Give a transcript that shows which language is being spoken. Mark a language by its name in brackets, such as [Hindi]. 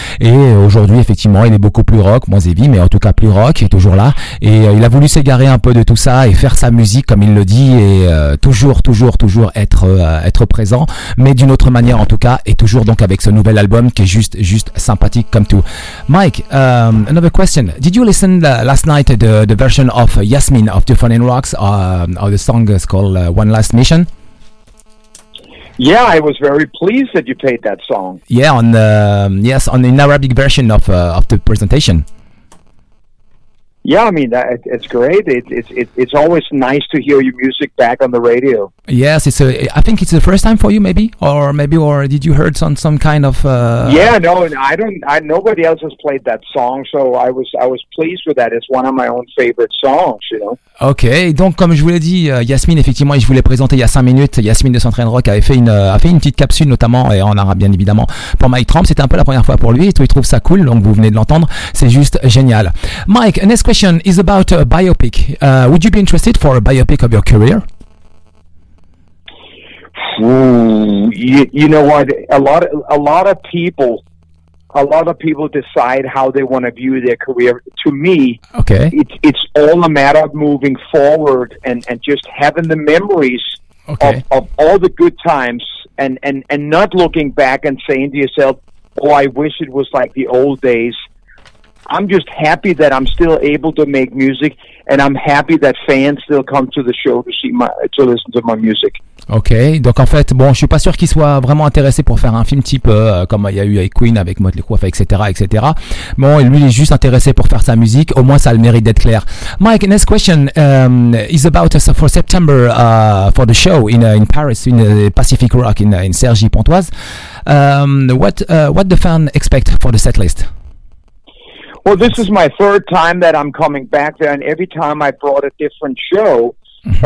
[French] Et aujourd'hui, effectivement, il est beaucoup plus rock, moins heavy, mais en tout cas plus rock, il est toujours là. Et il a voulu s'égarer un peu de tout ça et faire sa musique, comme il le dit, et toujours être présent, mais d'une autre manière en tout cas, et toujours donc avec ce nouvel album qui est juste sympathique comme tout. [English] Mike, another question. Did you listen last night to the version of Yasmin of Two Funnin' Rocks, or the song is called One Last Mission? Yeah, I was very pleased that you played that song. Yeah, on an Arabic version of the presentation. Yeah, I mean, it's great. It's always nice to hear your music back on the radio. Yes, I think it's the first time for you, maybe, or did you heard some kind of... Yeah, no, nobody else has played that song, so I was pleased with that. It's one of my own favorite songs, you know. [French] Ok, donc comme je vous l'ai dit, Yasmine, effectivement, et je vous l'ai présenté il y a 5 minutes, Yasmine de Centraine Rock a fait une petite capsule, notamment, et en arabe, bien évidemment, pour Mike Tramp. C'était un peu la première fois pour lui, et tout, il trouve ça cool, donc vous venez de l'entendre, c'est juste génial. [English] Mike, next question is about a biopic. Would you be interested for a biopic of your career? You know what, a lot of people decide how they want to view their career. To me, okay, it's all a matter of moving forward and just having the memories, okay, of all the good times and not looking back and saying to yourself, oh, I wish it was like the old days. I'm just happy that I'm still able to make music, and I'm happy that fans still come to the show to listen to my music. [French] Ok, donc en fait, bon, je suis pas sûr qu'il soit vraiment intéressé pour faire un film type comme il y a eu avec Queen, avec Motley Crue, etc. Bon, lui, il est juste intéressé pour faire sa musique. Au moins, ça a le mérite d'être clair. [English] Mike, next question is about for September for the show in Paris, in Pacific Rock, in Cergy Pontoise. What the fans expect for the set list? Well, this is my third time that I'm coming back there, and every time I brought a different show. Mm-hmm.